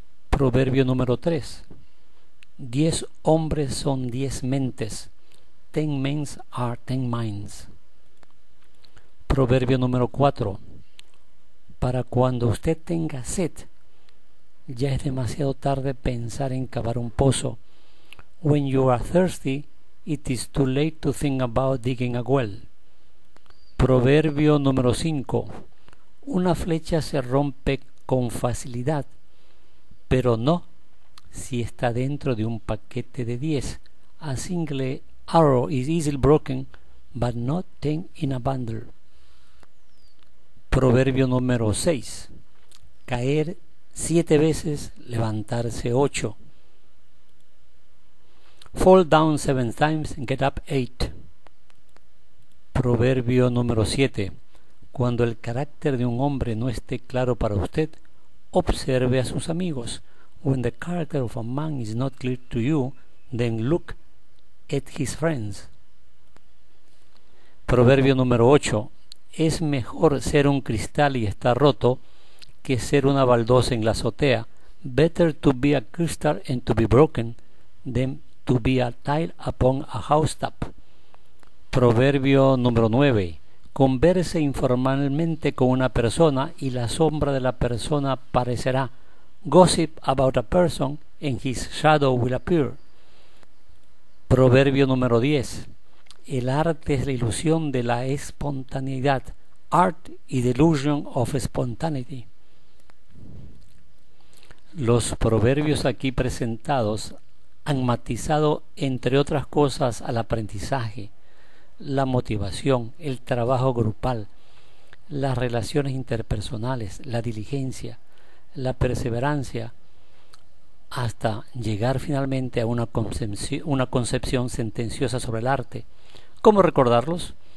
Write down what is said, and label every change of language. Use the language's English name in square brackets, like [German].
[Spanish] Proverbio número 3. 10 hombres son 10 mentes. [English] 10 men are 10 minds. [Spanish] Proverbio número 4. Para cuando usted tenga sed, ya es demasiado tarde pensar en cavar un pozo. [English] When you are thirsty, it is too late to think about digging a well. [Spanish] Proverbio número 5. Una flecha se rompe con facilidad, pero no si está dentro de un paquete de 10. [English] A single arrow is easily broken, but not 10 in a bundle. [Spanish] Proverbio número 6. Caer 7 veces, levantarse 8. [English] Fall down 7 times, get up 8. [Spanish] Proverbio número 7. Cuando el carácter de un hombre no esté claro para usted, observe a sus amigos. [English] When the character of a man is not clear to you, then look at his friends. [Spanish] Proverbio número 8. Es mejor ser un cristal y estar roto que ser una baldosa en la azotea. [English] Better to be a crystal and to be broken than to be a tile upon a housetop. [Spanish] Proverbio número 9. Converse informalmente con una persona y la sombra de la persona aparecerá. [English] Gossip about a person and his shadow will appear. [Spanish] Proverbio número 10. El arte es la ilusión de la espontaneidad. [English] Art is the illusion of spontaneity. [Spanish] Los proverbios aquí presentados han matizado, entre otras cosas, al aprendizaje, la motivación, el trabajo grupal, las relaciones interpersonales, la diligencia, la perseverancia, hasta llegar finalmente a una concepción sentenciosa sobre el arte. ¿Cómo recordarlos?